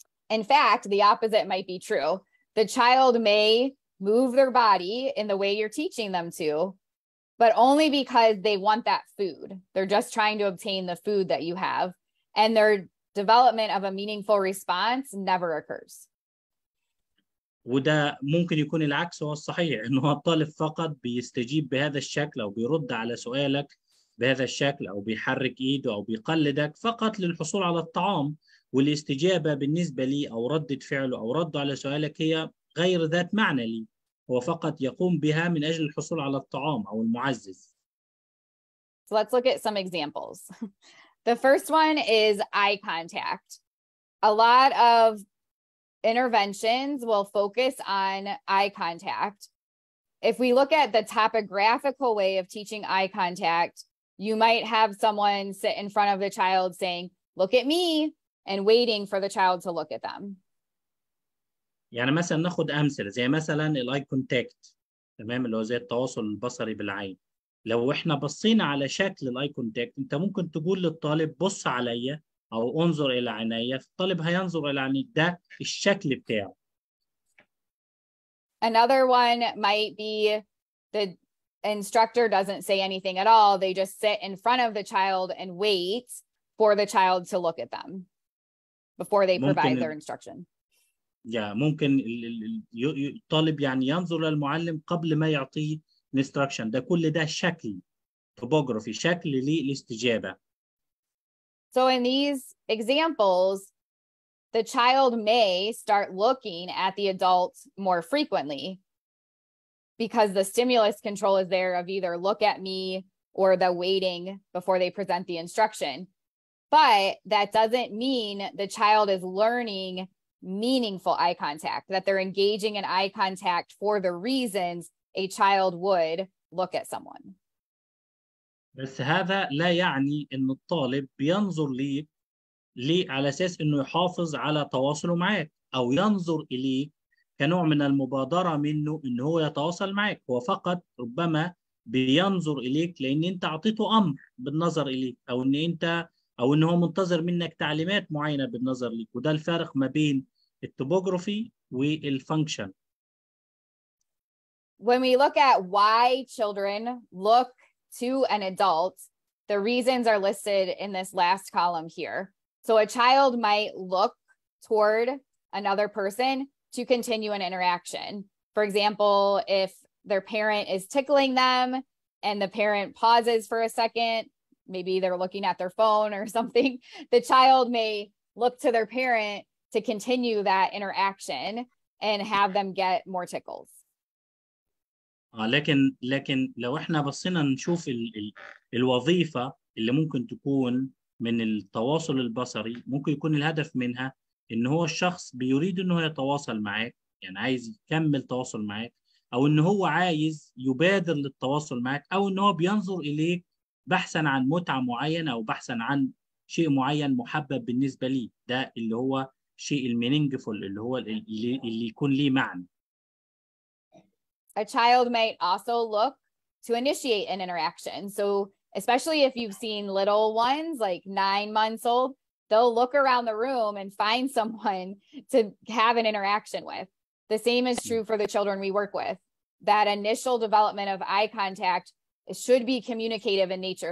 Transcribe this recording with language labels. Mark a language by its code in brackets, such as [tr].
[en] In fact, the opposite might be true. The child may move their body in the way you're teaching them to, but only because they want that food. They're just trying to obtain the food that you have, and they're development of a meaningful response never occurs. [ar] وده ممكن يكون العكس هو الصحيح، ان هو الطالب فقط بيستجيب بهذا الشكل او بيرد على سؤالك بهذا الشكل او بيحرك ايده او بيقلدك فقط للحصول على الطعام، والاستجابه بالنسبه لي او رده فعله او رده على سؤالك هي غير ذات معنى لي، هو فقط يقوم بها من اجل الحصول على الطعام او المعزز. [en] So let's look at some examples. The first one is eye contact. A lot of interventions will focus on eye contact. If we look at the topographical way of teaching eye contact, you might have someone sit in front of the child saying, "Look at me," and waiting for the child to look at them. [ar] يعني مثلا ناخد امثله زي مثلا الاي كونتاكت، تمام، اللي هو زي التواصل البصري بالعين. لو احنا بصينا على شكل الاي كونتاكت انت ممكن تقول للطالب بص عليا او انظر الى عيني، الطالب هينظر الى عينيك، ده الشكل بتاعه. [en] Another one might be the instructor doesn't say anything at all, they just sit in front of the child and wait for the child to look at them before they provide their instruction. [ar] Yeah, ممكن الطالب يعني ينظر للمعلم قبل ما يعطيه instruction. ده كل ده شكل، topography، شكل للاستجابة. [en] So in these examples, the child may start looking at the adult more frequently because the stimulus control is there of either look at me or the waiting before they present the instruction. But that doesn't mean the child is learning meaningful eye contact, that they're engaging in eye contact for the reasons a child would look at someone. [ar] بس هذا لا يعني ان الطالب بينظر لي على اساس انه يحافظ على تواصله معك او ينظر اليك كنوع من المبادره منه ان هو يتواصل معك، هو فقط ربما بينظر اليك لان انت اعطيته امر بالنظر اليك او ان انت او ان هو منتظر منك تعليمات معينه بالنظر ليك، وده الفارق ما بين التوبوجرافي والفانكشن. [en] When we look at why children look to an adult, the reasons are listed in this last column here. So a child might look toward another person to continue an interaction. For example, if their parent is tickling them and the parent pauses for a second, maybe they're looking at their phone or something, the child may look to their parent to continue that interaction and have them get more tickles. [ar] لكن لو احنا بصينا نشوف الوظيفة اللي ممكن تكون من التواصل البصري، ممكن يكون الهدف منها ان هو الشخص بيريد انه يتواصل معاك، يعني عايز يكمل تواصل معاك، او ان هو عايز يبادر للتواصل معاك، او ان هو بينظر اليك بحثا عن متعة معينة او بحثا عن شيء معين محبب بالنسبة لي، ده اللي هو شيء المينينجفول، اللي هو اللي يكون ليه معنى. [en] A child might also look to initiate an interaction. So especially if you've seen little ones, like 9 months old, they'll look around the room and find someone to have an interaction with. The same is true for the children we work with. That initial development of eye contact should be communicative in nature.